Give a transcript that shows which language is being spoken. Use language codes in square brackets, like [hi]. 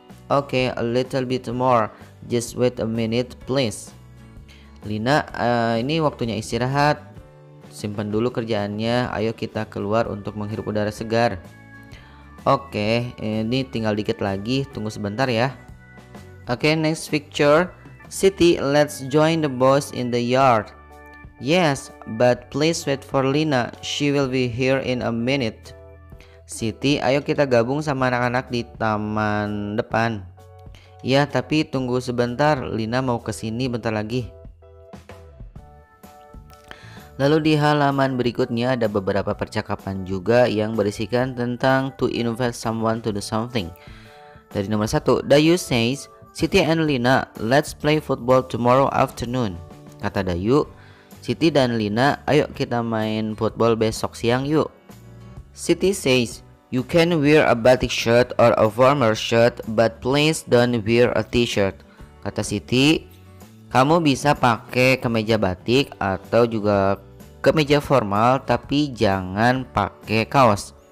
[en] Okay, a little bit more, just wait a minute, please. [id] Lina, ini waktunya istirahat. Simpan dulu kerjaannya, ayo kita keluar untuk menghirup udara segar. Oke, ini tinggal dikit lagi, tunggu sebentar ya. [en] Oke, next picture. Siti, let's join the boys in the yard. Yes, but please wait for Lina, she will be here in a minute. [id] Siti, ayo kita gabung sama anak-anak di taman depan. Ya, tapi tunggu sebentar, Lina mau kesini bentar lagi. Lalu di halaman berikutnya ada beberapa percakapan juga yang berisikan tentang [en] to invite someone to do something. [id] Dari nomor 1, [en] Dayu says, Siti and Lina, let's play football tomorrow afternoon. [id] Kata Dayu, Siti dan Lina, ayo kita main football besok siang yuk. [en] Siti says, you can wear a batik shirt or a warmer shirt, but please don't wear a t-shirt. [id] Kata Siti, kamu bisa pakai kemeja batik atau juga kemeja formal, tapi jangan pakai kaos.